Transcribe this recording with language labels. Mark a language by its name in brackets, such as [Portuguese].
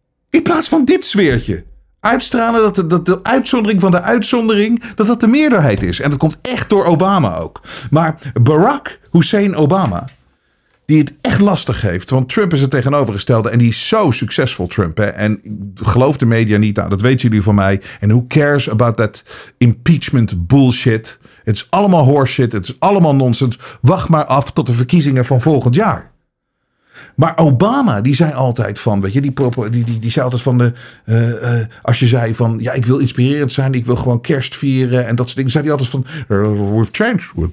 [Dutch] In plaats van dit sfeertje. Uitstralen dat de uitzondering van de uitzondering, dat de meerderheid is. En dat komt echt door Obama ook. Maar Barack Hussein Obama, die het echt lastig heeft. Want Trump is het tegenovergestelde. En die is zo succesvol, Trump. Hè? En geloof de media niet aan. Dat weten jullie van mij. [English] En who cares about that impeachment bullshit. [Dutch] Het is allemaal horseshit. Het is allemaal nonsens. Wacht maar af tot de verkiezingen van volgend jaar. Maar Obama, die zei altijd van, weet je, die zei altijd van de, als je zei van, ja, ik wil inspirerend zijn. Ik wil gewoon kerst vieren. En dat soort dingen. Zei hij altijd van, [English] we've changed.